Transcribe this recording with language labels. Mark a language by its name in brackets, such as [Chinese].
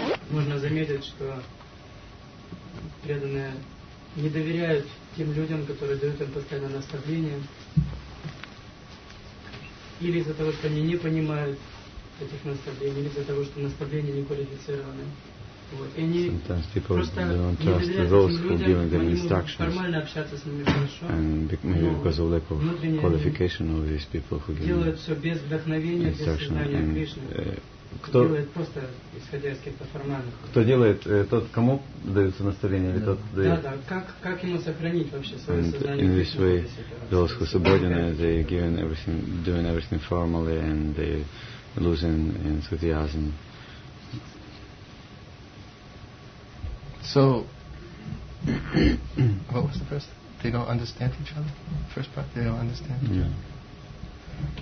[Russian] Можно заметить, что преданные не доверяют тем людям, которые дают им постоянно наставления. Или из-за того, что они не понимают этих наставлений, или из-за того, что наставления не квалифицированы. [English] Sometimes people don't trust those who are giving them instructions, and maybe because of lack of qualification of these people who give them instructions. [Russian] Кто делает, тот, кому дается наставление, или тот дает? Как ему сохранить вообще свое сознание? [English] In this way, those who subordinate, they giving everything, doing everything formally, and they losing enthusiasm. So, what was the first? They don't understand each other? First part, they don't understand each other?